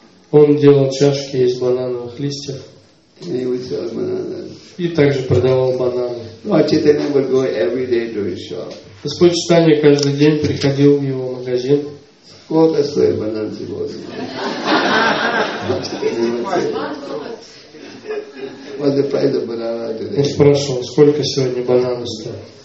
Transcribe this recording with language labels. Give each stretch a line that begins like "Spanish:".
Russian: Он делал чашки из банановых листьев.
English: And he would sell bananas.
Russian: И также продавал бананы.
English: Lord Chaitanya would go every day to his shop.
Russian: Господь Читания каждый день приходил в его магазин. Сколько стоит банан сегодня?
English: What the price of banana today?
Russian: Он спрашивал, сколько сегодня бананы стоят.